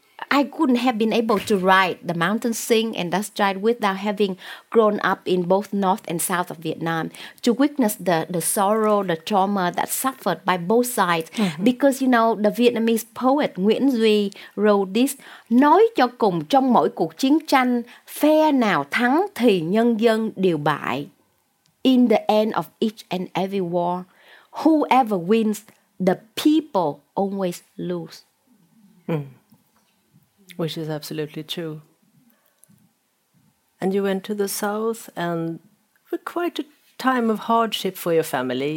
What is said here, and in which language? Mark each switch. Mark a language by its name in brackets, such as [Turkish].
[English] I couldn't have been able to ride the mountain sing and dust ride without having grown up in both North and South of Vietnam to witness the sorrow, the trauma that suffered by both sides. Mm-hmm. Because, you know, the Vietnamese poet Nguyễn wrote this, [Vietnamese] nói cho cùng trong mỗi cuộc chiến tranh, phe nào thắng thì nhân dân đều bại. [English] In the end of each and every war, whoever wins, the people always lose. Mm. Which is absolutely true. And you went to the South, and for quite a time of hardship for your family.